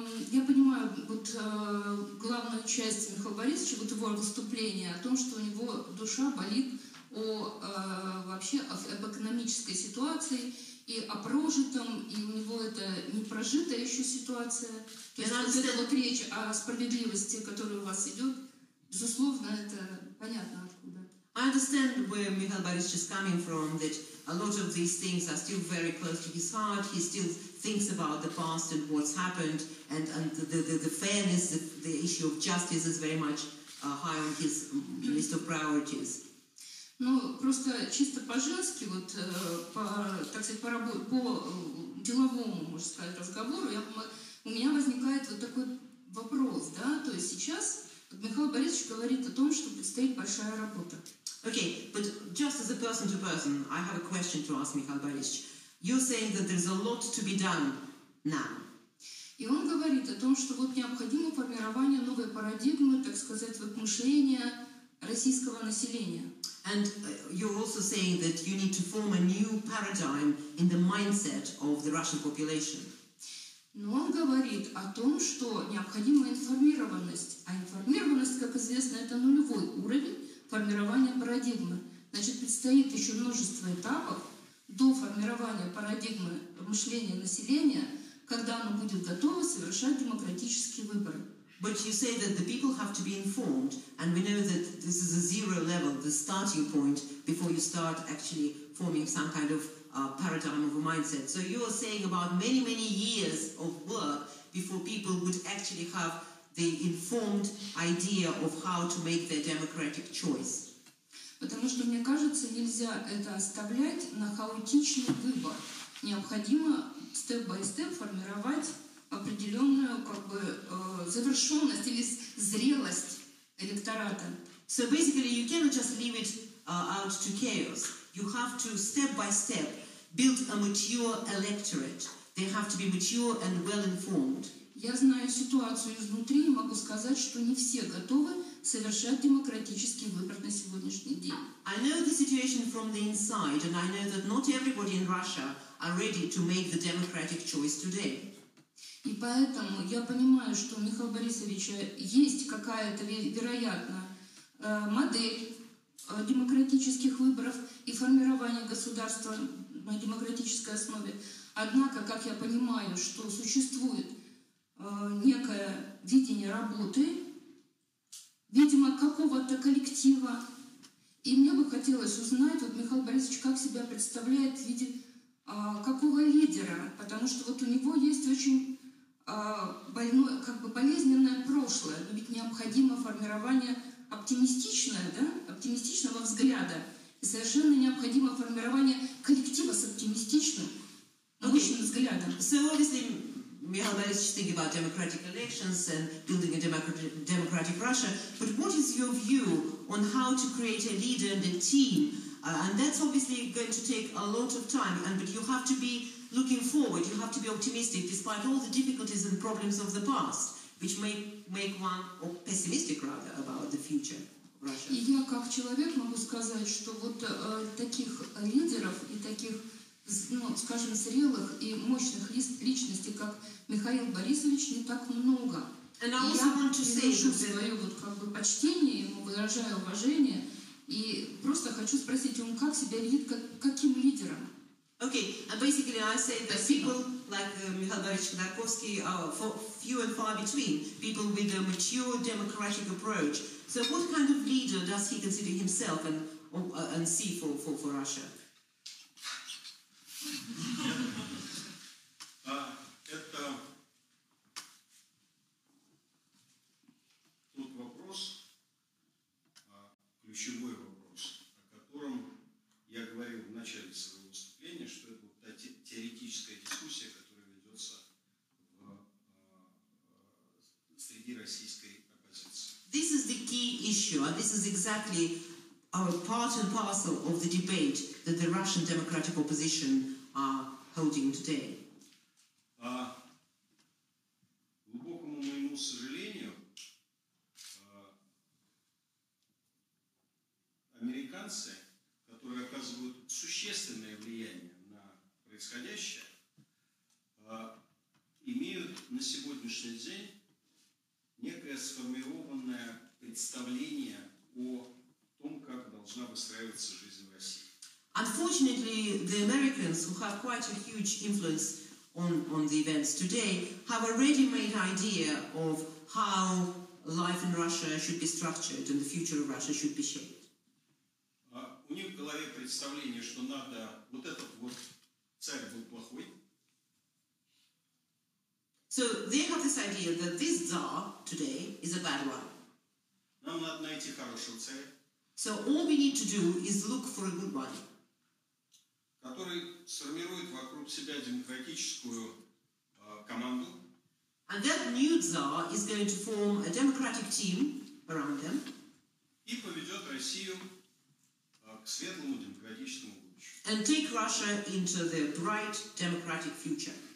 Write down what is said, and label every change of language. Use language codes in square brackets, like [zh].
[ru] Я понимаю вот главную часть Михаила Борисовича, вот его выступления, о том, что у него душа болит вообще об экономической ситуации, и о прожитом, и у него это не прожитая еще ситуация. То есть вот эта вот речь о справедливости, которая у вас идет, безусловно, это понятно откуда. [en] I understand where Mikhail Borisovich is coming from, that a lot of these things are still very close to his heart, he still thinks about the past and what's happened, and the fairness, the issue of justice is very much high on his list of priorities. [ru] Ну, просто чисто по-женски, вот, так сказать, по деловому, можно сказать, разговору, у меня возникает вот такой вопрос, да, то есть сейчас вот Михаил Борисович говорит о том, что предстоит большая работа. [en] Okay, but just as a person to person, I have a question to ask Mikhail Borisovich. You're saying that there's a lot to be done now. [ru] И он говорит о том, что вот необходимо формирование новой парадигмы, так сказать, вот мышления российского населения. [en] And you're also saying that you need to form a new paradigm in the mindset of the Russian population. [ru] Но он говорит о том, что необходима информированность. А информированность, как известно, это нулевой уровень формирования парадигмы. Значит, предстоит еще множество этапов до формирования парадигмы мышления населения, когда оно будет готово совершать демократические выборы. [en] But you say that the people have to be informed, and we know that this is a zero level, the starting point, before you start actually forming some kind of paradigm of a mindset. So you are saying about many, many years of work before people would actually have the informed idea of how to make their democratic choice. [ru] Потому что, мне кажется, нельзя это оставлять на хаотичный выбор. Необходимо [en] step-by-step [ru] формировать определенную как бы завершенность или зрелость электората. [en] So basically you cannot just leave it out to chaos. You have to step by step build a mature electorate. They have to be mature and well informed. [ru] Я знаю ситуацию изнутри и могу сказать, что не все готовы совершать демократический выбор на сегодняшний день. [en] I know the situation from the inside and I know that not everybody in Russia are ready to make the democratic choice today. [ru] И поэтому я понимаю, что у Михаила Борисовича есть какая-то, вероятно, модель демократических выборов и формирования государства на демократической основе. Однако, как я понимаю, что существует некое видение работы, видимо, какого-то коллектива. И мне бы хотелось узнать, вот Михаил Борисович, как себя представляет в виде какого лидера, потому что вот у него есть очень больное, как бы болезненное прошлое, но ведь необходимо формирование оптимистичное, да, оптимистичного взгляда, и совершенно необходимо формирование коллектива с оптимистичным, научным взглядом. [en] So obviously, Mikhail Borisovich thinking about democratic elections and building a democratic Russia, but what is your view on how to create a leader and a team? And that's obviously going to take a lot of time, but you have to be looking forward, you have to be optimistic despite all the difficulties and problems of the past, which may make one pessimistic rather about the future of Russia. [ru] Я как человек могу сказать, что вот таких лидеров и таких, ну, скажем, зрелых и мощных личностей, как Михаил Борисович, не так много. [en] And I also want to say [ru] свое вот как бы почтение ему, выражаю уважение. И просто хочу спросить, он как себя ведет, каким лидером? [en] Okay, and basically I say that people like Mikhail Borisovich Khodorkovsky are few and far between, people with a mature democratic approach. So what kind of leader does he consider himself and see for Russia? [ru] Это тот вопрос, ключевой вопрос, о котором я говорил в начале своего выступления, что это та теоретическая дискуссия, которая ведется среди российской оппозиции. [en] This is the key issue, and this is exactly our part and parcel of the debate that the Russian democratic opposition are holding today. [ru] Глубокому моему сожалению, американцы, которые оказывают существенное влияние на происходящее, имеют на сегодняшний день некое сформированное представление о том, как должна выстраиваться жизнь в России. [en] Unfortunately, the Americans, who have quite a huge influence on the events today, have a ready-made idea of how life in Russia should be structured and the future of Russia should be shaped. [ru] У них в голове представление, что надо вот этот вот царь был плохой. [en] So they have this idea that this czar today is a bad one. [ru] Нам надо найти хорошего царя. [en] So all we need to do is look for a good one, [ru] который сформирует вокруг себя демократическую команду. [en] And that new czar is going to form a democratic team around them. [ru] И поведет Россию к светлому демократическому будущему. [en] And take Russia into the bright democratic future.